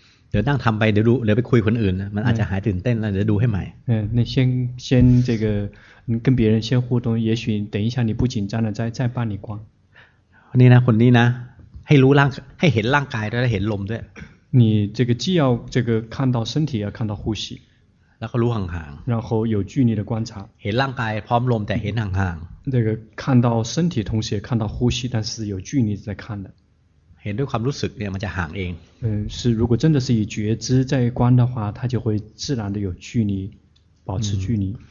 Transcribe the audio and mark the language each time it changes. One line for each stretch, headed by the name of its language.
Thai: เดี๋ยวนั่งทำไปเดี๋ยวไปคุยคนอื่นมันอาจจะหายตื่นเต้นแล้วเดี๋ยวดูให้ใหม่
Chinese: 那先这个跟别人先互动也许等一下你不紧张了再帮你观
Thai: นี่นะคนนี้นะให้รู้ร่างให้เห็นร่างกายด้วยเห็นลมด้วย
Chinese: 你这个既要这个看到身体要看到呼吸然后看看然后有距离的观察
Thai: เห็นร่างกายพร้อมลมแต่เห็นห่าง
Chinese: ๆ这个看到身体同时也看到呼吸但是有距离在看的
Thai: เห็นด้วยความรู้สึกเนี่ยมันจะห่างเอง
Chinese: 是如果真的是以觉知在观的话它就会自然的有距离保持距离